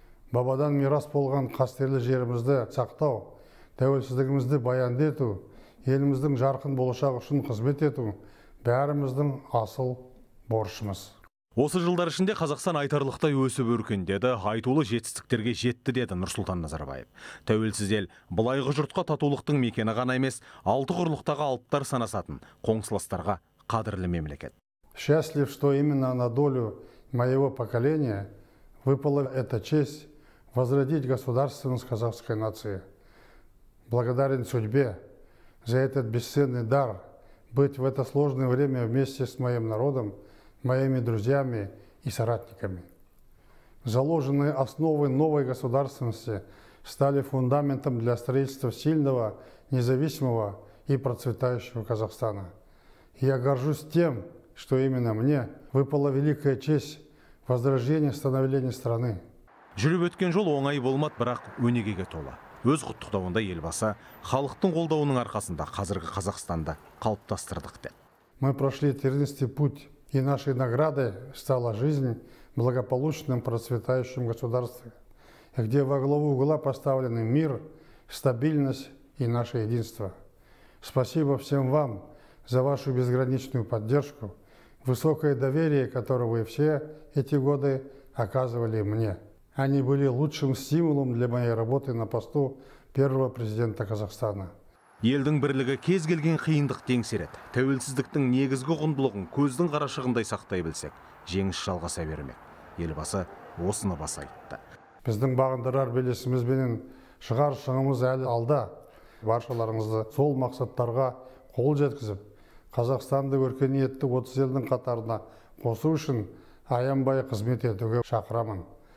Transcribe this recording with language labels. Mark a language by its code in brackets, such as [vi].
[kk] Бабадан мирас болған қастерлі жерімізді сақтау, тәуелсіздігімізді баянды ету, еліміздің жарқын болашағы үшін қызмет ету бәріміздің асыл борышымыз. Осы жылдар ішінде Қазақстан айтарлықтай өсіп өркендеді, айтулы жетістіктерге жетті деді Нұрсұлтан Назарбаев. Тәуелсіз ел былайғы жұртқа татулықтың мекені ғана емес, алты құрлықтағы алыптар санасатын қоңсыластарға қадірлі мемлекет. [ru] Счастлив, что именно на долю моего поколения выпала эта честь возродить государственность казахской нации. Благодарен судьбе за этот бесценный дар быть в это сложное время вместе с моим народом, моими друзьями и соратниками. Заложенные основы новой государственности стали фундаментом для строительства сильного, независимого и процветающего Казахстана. Я горжусь тем, что именно мне выпала великая честь возрождения становления страны. [kk] Жүріп өткен жол оңай болмады, бірақ өнегеге толы. Өз құттықтауында елбасы халықтың қолдауының арқасында қазіргі Қазақстанды қалыптастырдық деді. [ru] Мы прошли тернистый путь, и нашей наградой стала жизнь в благополучном процветающем государстве, где во главу угла поставлены мир, стабильность и наше единство. Спасибо всем вам за вашу безграничную поддержку, высокое доверие, которое вы все эти годы оказывали мне. Они были лучшим стимулом для моей работы на посту первого президента Казахстана. [kk] Елдің бірлігі кез келген қиындық теңсереді. Тәуелсіздіктің негізгі құндылығын көздің қарашығындай сақтай білсек, жеңіс жалғаса бермек. Елбасы осыны баса айтты. Біздің бағындырар белесіміз бенен шығар шыңымыз әлі алда. Баршаларыңызды сол мақсаттарға қол жеткізіп, Қазақстанды өркениетті 30 елдің қатарына қосу үшін аянбай қызмет етуге шақырамын.